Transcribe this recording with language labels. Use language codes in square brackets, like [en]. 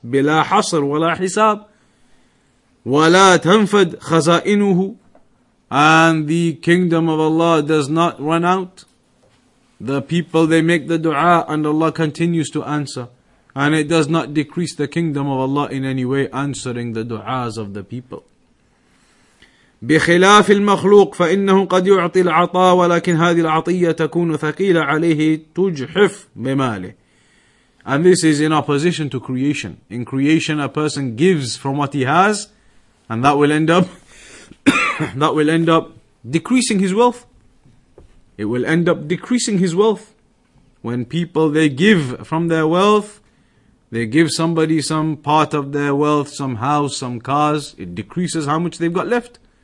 [ar] بِلَا حَصَرْ وَلَا حِسَابٍ وَلَا تَنْفَدْ خَزَائِنُهُ. [en] And the kingdom of Allah does not run out. The people, they make the dua and Allah continues to answer. And it does not decrease the kingdom of Allah in any way answering the duas of the people. [ar] بخلاف المخلوق فإنه قد يعطي العطاء ولكن هذه العطية تكون ثقيلة عليه تجحف بماله. [en] And this is in opposition to creation. In creation, a person gives from what he has, and that will end up decreasing his wealth. It will end up decreasing his wealth. When people, they give from their wealth, they give somebody some part of their wealth, some house, some cars, it decreases how much they've got left.